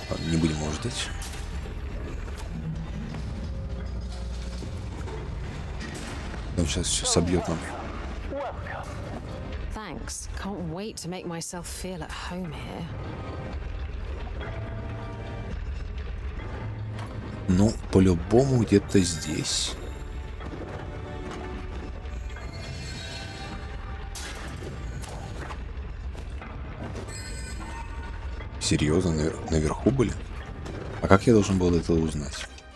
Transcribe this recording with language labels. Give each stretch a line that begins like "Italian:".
Russian: Не будем его ждать. Он сейчас все собьет нам.
English: Thanks. Can't wait to make myself feel at home here.
Russian: Ну, по-любому где-то здесь. Серьезно, наверху были? А как я должен был это узнать?